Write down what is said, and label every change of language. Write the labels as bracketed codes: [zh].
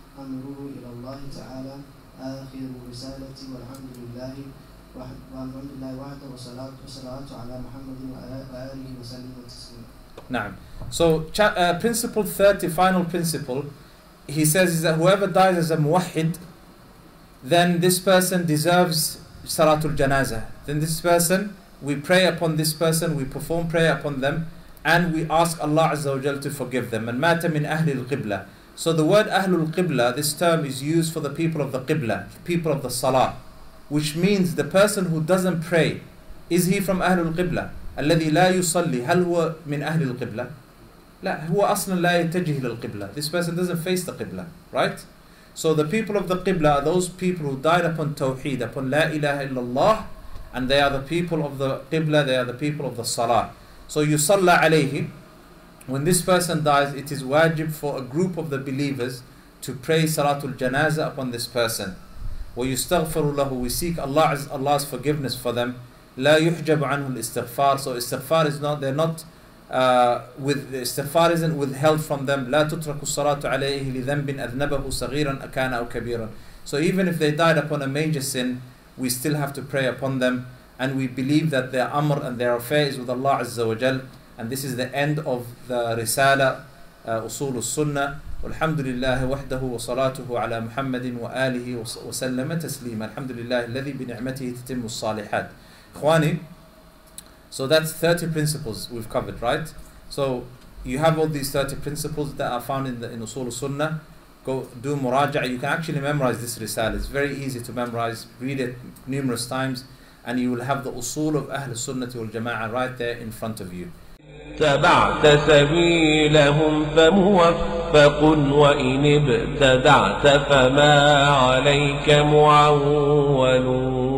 [ar] أمره إلى الله تعالى آخر رسالة والحمد لله والحمد لله وحده والصلاة والسلام على محمد وعلى آله وسلم وتسليم. نعم. [en] So principle 30, final principle, he says is that whoever dies as a muwahid, then this person deserves Salatul Janazah. Then this person, we pray upon this person, we perform prayer upon them, and we ask Allah Azza wa Jal to forgive them. And [ar] mata min ahli al-qibla. [en] So the word ahlul qibla, this term is used for the people of the qibla, people of the salah, which means the person who doesn't pray, is he from ahlul qibla? [ar] Alladhi la yusalli, hal huwa min ahli al-qibla? لا هو أصلا لا يتجه للقبلة. [en] This person doesn't face the قبلة, right? So the people of the قبلة are those people who died upon توحيد, upon [ar] لا إله إلا الله, [en] and they are the people of the قبلة, they are the people of the صلاة. [ar] So يصلى عليه. [en] When this person dies, it is wajib for a group of the believers to pray صلاة الجنازة upon this person. [ar] ويستغفر له. [en] We seek Allah's forgiveness for them. [ar] لا يحجب عنه الاستغفار. [en] So استغفار is not, they're not with the istighfar isn't withheld from them. [ar] لا تترك الصلاة عليه لذنب أذنبه صغيرا أكان أو كبيرا. [en] So even if they died upon a major sin, we still have to pray upon them, and we believe that their amr and their affair is with Allah Azza wa Jal. And this is the end of the Risala Usul As-Sunnah. [ar] والحمد لله وحده وصلاته على محمد وآله وسلم تسليما. الحمد لله الذي بنعمته تتم الصالحات. [en] إخواني, so that's 30 principles we've covered, right? So you have all these 30 principles that are found in Usul Sunnah. Go do muraja'ah. You can actually memorize this risale. It's very easy to memorize. Read it numerous times, and you will have the Usul of Ahl Sunnah wal Jama'ah right there in front of you. [ar] تبعت سبيلهم فموفق وإن ابتدعت فما عليك معول.